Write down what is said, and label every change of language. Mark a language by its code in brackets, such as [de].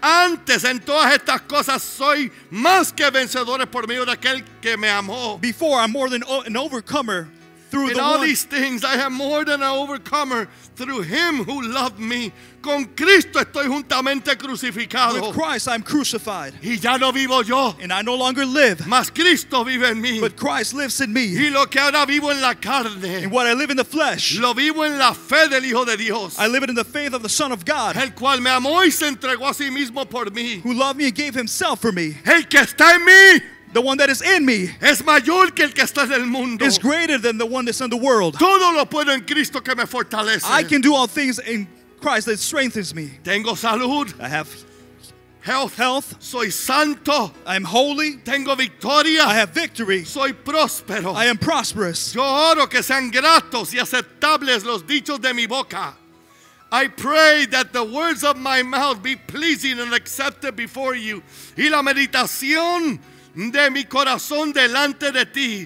[es] Antes en todas estas cosas soy más que vencedores por medio de aquel que me amó. [en] Before I'm more than an overcomer through in the all one. These things I have more than an overcomer through him who loved me. [es] Con Cristo estoy juntamente crucificado. [en] With Christ I'm crucified. [es] Y ya no vivo yo. [en] And I no longer live. [es] Mas Cristo vive en mí. [en] But Christ lives in me. [es] Y lo que ahora vivo en la carne. [en] And what I live in the flesh. [es] Lo vivo en la fe del Hijo de Dios. [en] I live it in the faith of the Son of God. [es] El cual me amó y se entregó a sí mismo por mí. [en] Who loved me and gave himself for me. [es] El que está en mí. [en] The one that is in me [es] es mayor que el que está en el mundo. [en] Is greater than the one that's in the world. [es] Todo lo puedo en Cristo que me fortalece. [en] I can do all things in Christ that strengthens me. [es] Tengo salud. [en] I have health. Health. [es] Soy santo. [en] I'm holy. [es] Tengo victoria. [en] I have victory. [es] Soy próspero. [en] I am prosperous. [es] Yo oro que sean gratos y aceptables los dichos de mi boca. [en] I pray that the words of my mouth be pleasing and accepted before you. [es] Y la meditación de mi corazón delante de ti.